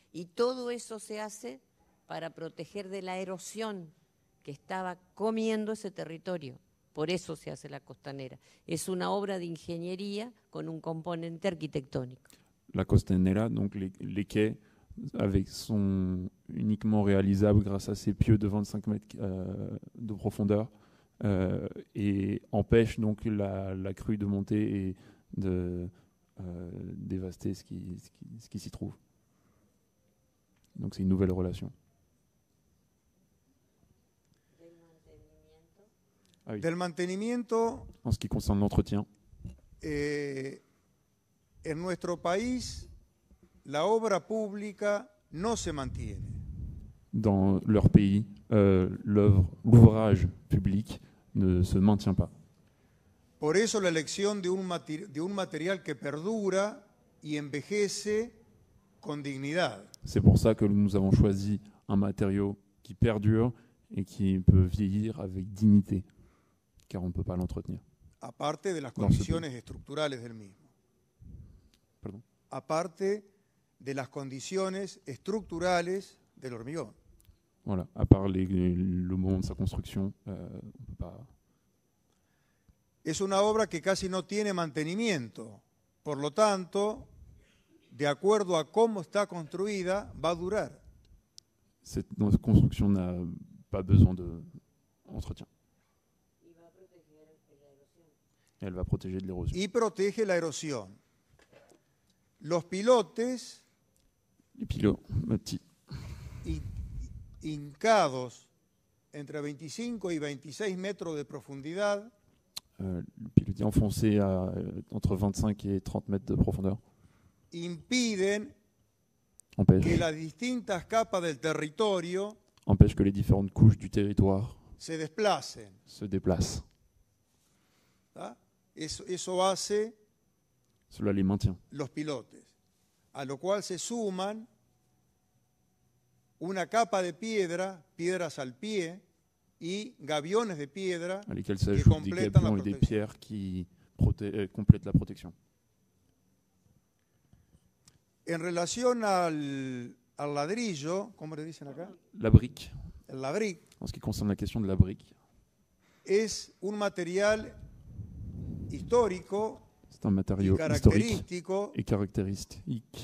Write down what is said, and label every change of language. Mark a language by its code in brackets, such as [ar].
[es] Y todo eso se hace para proteger de la erosión que estaba comiendo ese territorio. Por eso se hace la costanera. Es una obra de ingeniería con un componente arquitectónico. [fr] La costanera, donc les quais, avec sont uniquement réalisables grâce à ces pieux de 25 mètres de profondeur et empêchent donc la crue de monter et de dévaster ce qui s'y trouve. Donc c'est une nouvelle relation. Ah oui. [es] Del mantenimiento, [fr] en ce qui concerne l'entretien, [es] en nuestro país, la obra pública no se mantiene. [fr] Dans leur pays, l'ouvrage public ne se maintient pas. [es] Por eso la elección de un material que perdura y envejece con dignidad. [fr] C'est pour ça que nous avons choisi un matériau qui perdure et qui peut vieillir avec dignité. Car on ne peut pas l'entretenir. [es] A parte de las condiciones estructurales del mismo. [fr] Pardon. [es] A parte de las condiciones estructurales del hormigón. [fr] Voilà, à part le moment de sa construction, on peut pas. [es] Es una obra que casi no tiene mantenimiento. Por lo tanto, de acuerdo a cómo está construida, va a durar. [fr] Cette construction n'a pas besoin d'entretien. Elle va protéger de l'érosion. [es] Y protege la erosión. Los pilotes. [fr] Les pilotes, Mati. [es] Hincados entre 25 y 26 metros de profundidad. [fr] Le pilotis enfoncé à entre 25 et 30 mètres de profondeur. [es] Impiden [fr] empêche [es] que las distintas capas del territorio [fr] empêche que les différentes couches du territoire [es] se desplacen. [fr] Se déplacent. [es] Eso hace [fr] cela les maintient. [es] Los pilotes, a lo cual se suman una capa de piedra, piedras al pie y gaviones de piedra [fr] à lesquels s'ajoutent des gabions et des pierres qui complètent la protection. [es] En relación al ladrillo, ¿cómo le dicen acá? [fr] La brique. La brique. En ce qui concerne la question de la brique. [es] Es un material histórico. [fr] C'est un matériau historique et caractéristique